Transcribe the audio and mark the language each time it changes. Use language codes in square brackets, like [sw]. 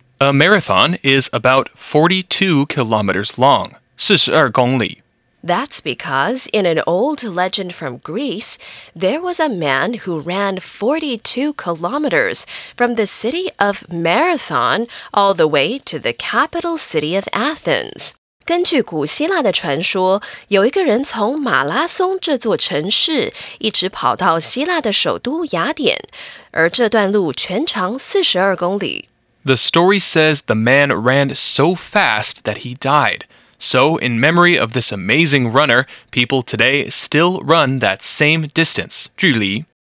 [en] A marathon is about 42 kilometers long, 42公里. That's because in an old legend from Greece, there was a man who ran 42 kilometers from the city of Marathon all the way to the capital city of Athens. [zh] 根据古希腊的传说，有一个人从马拉松这座城市一直跑到希腊的首都雅典，而这段路全长42公里。 [en] The story says the man ran so fast that he died. So, in memory of this amazing runner, people today still run that same distance, 距离.